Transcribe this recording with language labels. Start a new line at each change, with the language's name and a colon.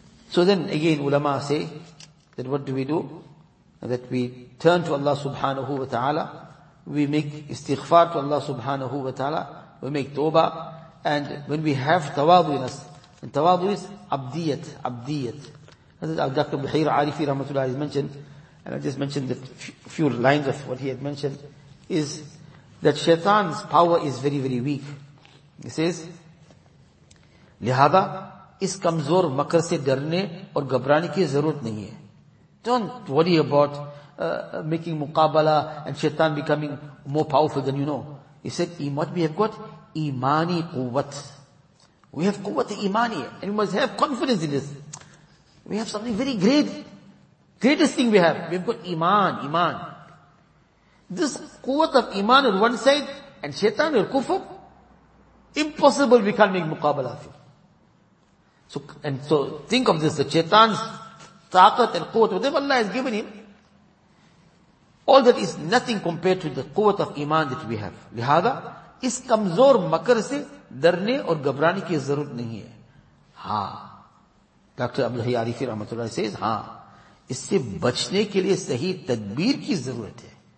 English: So then again, ulama say, that what do? That we turn to Allah subhanahu wa ta'ala, we make istighfar to Allah subhanahu wa ta'ala, we make tawbah, and when we have tawadu in us, and tawadu is abdiyat, abdiyat. As Dr. Buhayr Arifi rahmatullah has mentioned, and I just mentioned the few lines of what he had mentioned, is that shaitan's power is very, very weak. He says,
Urdu: لہذا اس کمزور مکر سے ڈرنے اور گھبرانے کی ضرورت نہیں ہے.
English: Don't worry about making muqabala and shaitan becoming more powerful than you know. He said, what we have got? Imani quwwat. We have quwwat imani, and we must have confidence in this. We have something very great. Greatest thing we've got iman, iman. This quwwat of iman on one side and shaitan or kufr, impossible, we can't make muqabala of it. So think of this, the shaitan's taqat and quwwat, whatever Allah has given him, all that is nothing compared to the quwwat of iman that we have.
Urdu: لهذا اس کمزور مکر سے ڈرنے اور گھبرانے کی ضرورت نہیں ہے. ہاں ڈاکٹر عبد الحی عارف رحمۃ اللہ سے ہاں اس سے بچنے کے لیے صحیح تدبیر کی ضرورت ہے.